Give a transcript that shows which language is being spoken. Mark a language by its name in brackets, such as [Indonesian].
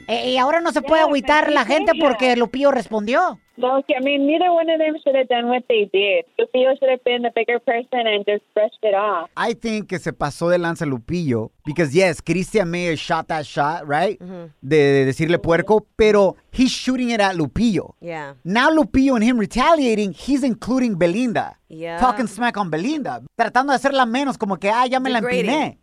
[Spanish] Y ahora no se puede agüitar la gente porque Lupillo respondió. [English] No, I mean, neither one of them should have done what they did. Lupillo should have been the bigger person and just brushed it off. I think [Spanish] que se pasó de lanza Lupillo [English] Because, yes, Christian Mayer shot that shot, right? Mm-hmm. [Spanish] De decirle puerco, pero [English] he's shooting it at Lupillo. Yeah. Now Lupillo and him retaliating, he's including Belinda. Yeah. Talking smack on Belinda. [Spanish] Tratando de hacerla menos, como que, ah, ya me degrading. La empiné.